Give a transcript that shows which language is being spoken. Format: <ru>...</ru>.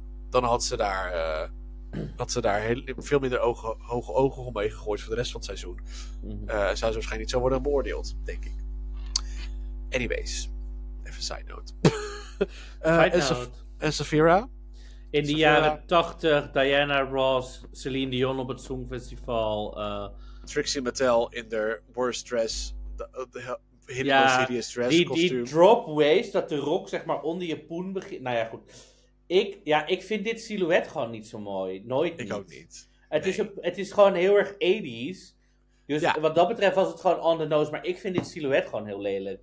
<nl>Dan had ze daar, veel minder hoge ogen omheen gegooid voor de rest van het seizoen. Zou ze waarschijnlijk niet zo worden beoordeeld, denk ik. Anyways... Even side note. En Saphira? In de jaren 80, Diana Ross, Celine Dion op het Songfestival.</nl> <en>Trixie Mattel in their worst dress. Hideous dress.</en> <nl>Die drop waist, dat de rok zeg maar onder je poen begint. Nou ja, goed. Ik vind dit silhouet gewoon niet zo mooi. Nooit niet. Ik ook niet. Het is gewoon heel erg 80s. Dus wat dat betreft was het gewoon</nl> <en>on the nose.</en> <nl>Maar ik vind dit silhouet gewoon heel lelijk.</nl>